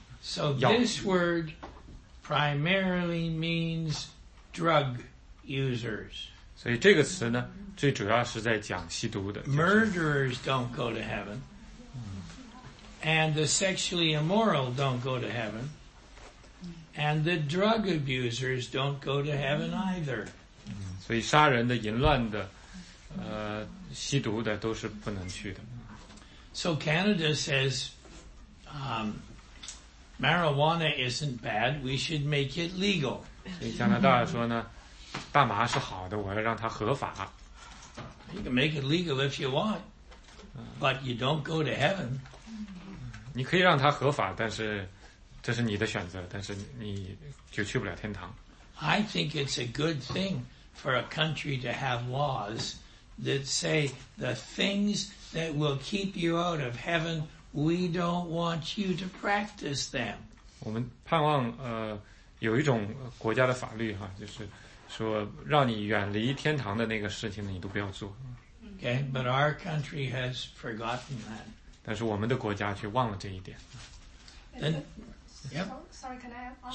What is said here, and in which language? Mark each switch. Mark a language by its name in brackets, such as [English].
[English] So this word primarily means drug users. [Chinese] 所以这个词呢？最主要是在讲吸毒的。 [English] Murderers don't go to heaven. And the sexually immoral don't go to heaven. And the drug abusers don't go to heaven either. [Chinese] 所以杀人的、淫乱的、吸毒的都是不能去的。 [English] So Canada says, marijuana isn't bad, we should make it legal. [Chinese] 所以加拿大说呢，大麻是好的，我要让它合法。 [English] You can make it legal if you want, but you don't go to heaven. [Chinese] 你可以让它合法，但是这是你的选择，但是你就去不了天堂。 [English] I think it's a good thing for a country to have laws that say the things that will keep you out of heaven, we don't want you to practice them. [Chinese] 我们盼望有一种国家的法律哈，就是说让你远离天堂的那个事情你都不要做。 [English] Okay, but our country has forgotten that. [Chinese] 但是我们的国家却忘了这一点。 [English] Then, yep. Sorry, can I ask?